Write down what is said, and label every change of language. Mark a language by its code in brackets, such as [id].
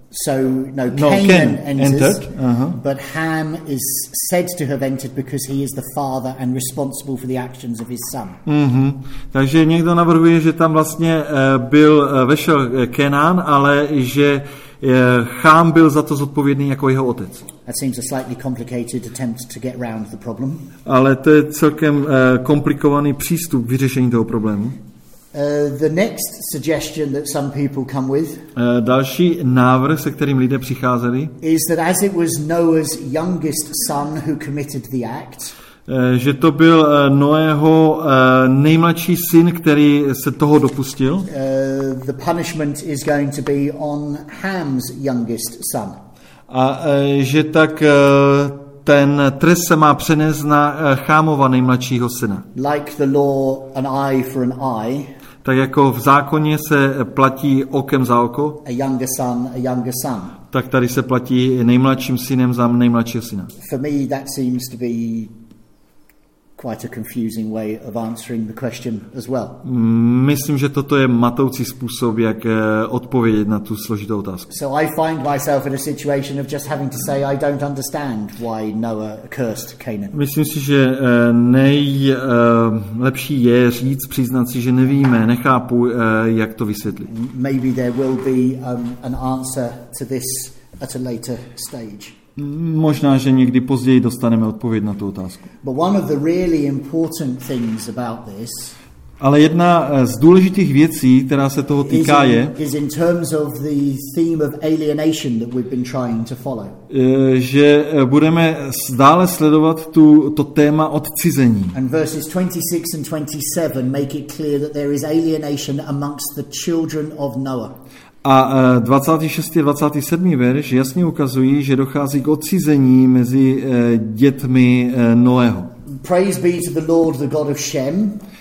[en] So no, Cain entered, but Ham is said to have entered because he is the father and responsible for the actions of his son. Mm-hmm. [cs] Takže někdo navrhuje, že tam vlastně vešel Kenan, ale že Chám byl za to zodpovědný jako jeho otec. [en] That seems a slightly complicated attempt to get round the problem. [cs] Ale to je celkem komplikovaný přístup vyřešení toho problému. [en] The next suggestion that some people come with. [cs] Další návrh, se kterým lidé přicházeli. [en] Is that as it was Noah's youngest son who committed the act. [cs] Že to byl Noého nejmladší syn, který se toho dopustil. [en] The punishment is going to be on Ham's youngest son. [cs] A že tak ten trest se má přenést na Chámova nejmladšího syna. [en] Like the law, an eye for an eye. [cs] Tak jako v zákoně se platí okem za oko. [en] A younger son, a younger son. [cs] Tak tady se platí nejmladším synem za nejmladšího syna. [en] For me that seems to be quite a confusing way of answering the question as well. [cs] Myslím, že toto je matoucí způsob, jak odpovědět na tu složitou otázku. [en] So I find myself in a situation of just having to say I don't understand why Noah cursed Canaan. [cs] Myslím si, že nejlepší je říct, přiznat si, že nevíme, nechápu, jak to vysvětlit. [en] Maybe there will be an answer to this at a later stage. [cs] Možná, že někdy později dostaneme odpověď na tu otázku. [en] But one of the really important things about this, [cs] ale jedna z důležitých věcí, která se toho týká, je, [en] is in terms of the theme of alienation that we've been trying to follow. [cs] Že budeme dále sledovat to téma odcizení. [en] And verses 26 and 27 make it clear that there is alienation amongst the children of Noah. [cs] A 26. a 27. verš jasně ukazují, že dochází k odcizení mezi dětmi Noého. [en] Praise be to the Lord, the God of Shem.